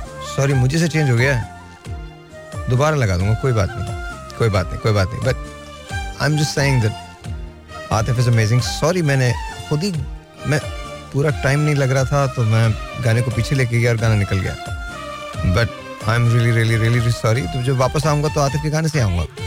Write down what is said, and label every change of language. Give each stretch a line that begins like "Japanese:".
Hindi: Sorry, मुझे से change हो गया है. दोबारा लगा दूँगा, कोई बात नहीं, कोई बात नहीं, कोई बात नहीं.
English: But I'm just saying that Atif is amazing.
Hindi: Sorry, मैंने खुद ही मैं पूरा time नहीं लग रहा था तो मैं गाने को पीछे लेके गया और गाना निकल गया.
English: But I'm really, really, really, really sorry.
Hindi: तो जब वापस आऊँगा तो आतिफ के गाने से आऊँगा.